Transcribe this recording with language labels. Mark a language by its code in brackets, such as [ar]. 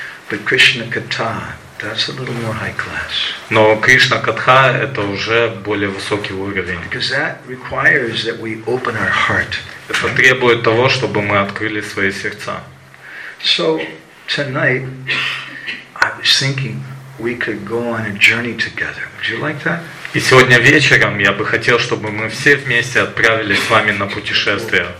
[en] But Krishna Katha, that's a little more high class. [ru] Но Кришна Катха это уже более высокий уровень. [en] Because that requires that we open our heart. [ru] Это требует того, чтобы мы открыли свои сердца. [en] So tonight I was thinking we could go on a journey together. Would you like that? [ru] И сегодня вечером я бы хотел, чтобы мы все вместе отправились с вами на путешествие.